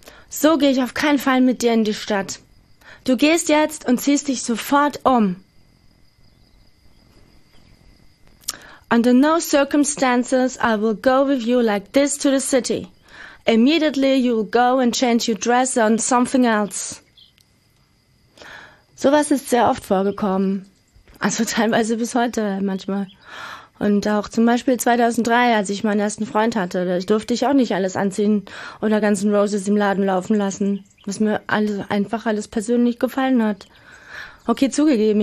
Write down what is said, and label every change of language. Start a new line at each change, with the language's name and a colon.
German: So gehe ich auf keinen Fall mit dir in die Stadt. Du gehst jetzt und ziehst dich sofort um.
English: Under no circumstances I will go with you like this to the city. Immediately you will go and change your dress on something else.
German: Sowas ist sehr oft vorgekommen. Also teilweise bis heute manchmal. Und auch zum Beispiel 2003, als ich meinen ersten Freund hatte, da durfte ich auch nicht alles anziehen oder ganzen Roses im Laden laufen lassen, was mir alles einfach alles persönlich gefallen hat. Okay, zugegeben.